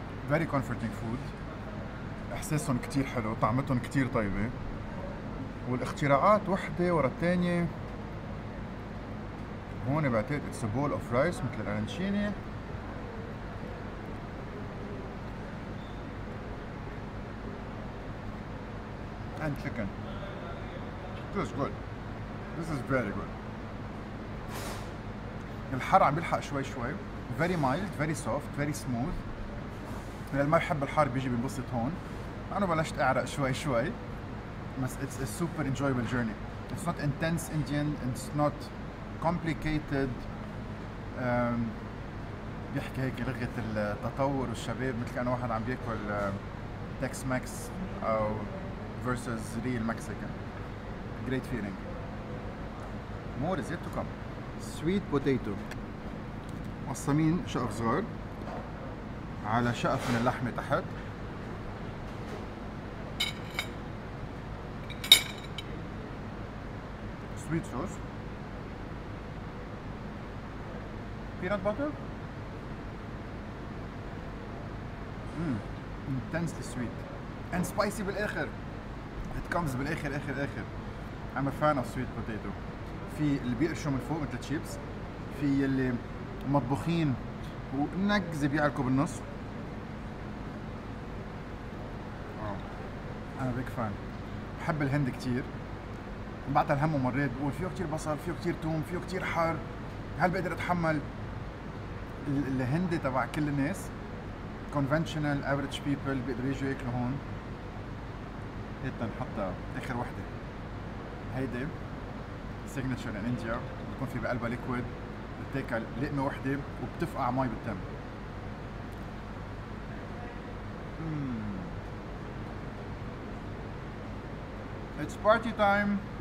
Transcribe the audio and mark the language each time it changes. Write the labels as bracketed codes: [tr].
[en] Very comforting food. [ar] إحساسهم كتير حلو طعمتهم كتير طيبة والاختراعات وحدة ورا التانية. هون بعتقد [en] it's a bowl of rice [ar] مثل الأرانشيني. [en] And chicken. This is good. This is very good. [ar] الحر عم يلحق شوي شوي. [en] Very mild, very soft, very smooth. [ar] اللي ما يحب الحر بيجي بينبسط هون. أنا بلشت أعرق شوي شوي. بس [en] it's a super enjoyable journey. It's not intense Indian, it's not complicated. [ar] بيحكي هيك لغة التطور والشباب مثل كأنه واحد عم بياكل تكس ماكس او [en] versus real Mexican. Great feeling. More is yet to come. Sweet potato. [ar] مقسمين شقف صغار على شقف من اللحمة تحت. [en] Sweet sauce. Peanut butter. Intensely sweet and spicy [ar] بالآخر. [en] It comes [ar] بالآخر آخر. [en] I'm a fan of sweet potato. [ar] في اللي بيقرشوا من فوق مثل chips. في اللي مطبوخين ونقز بيعلكوا بالنص. [en] Oh. I'm a big fan. [ar] بحب الهند كتير. بعتها الهم ومريت بقول فيه كتير بصل فيه كتير توم فيه كتير حار هل بقدر اتحمل الهندي تبع كل الناس [en] conventional average people [ar] بيقدر يجوا يأكلوا هون هيدا نحطها آخر وحدة هيدا [en] signature in India [ar] بيكون في بقلبها liquid بتاكل لقمة وحدة وبتفقع ماي بالتم [en] It's party time.